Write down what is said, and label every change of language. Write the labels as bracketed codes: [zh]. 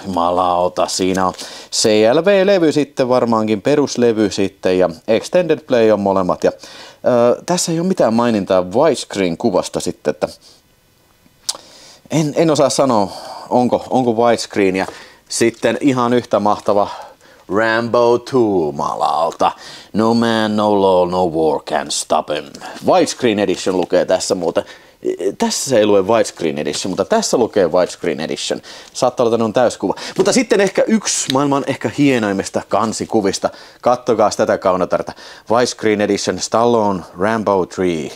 [fi] Malauta, siinä on CLV-levy sitten, varmaankin peruslevy sitten, ja Extended Play on molemmat, ja tässä ei ole mitään mainintaa widescreen-kuvasta sitten, että en osaa sanoa, onko widescreen, ja sitten ihan yhtä mahtava Rambo 2 malalta. [en] No man, no law, no war can stop him. [fi] Widescreen edition lukee tässä muuten. Tässä ei lue widescreen edition, mutta tässä lukee widescreen edition. Saattaa olla, että ne on täyskuva. Mutta sitten ehkä yksi maailman ehkä hienoimmista kansikuvista. Kattokaa tätä kaunotarta. Widescreen edition Stallone Rambo 3.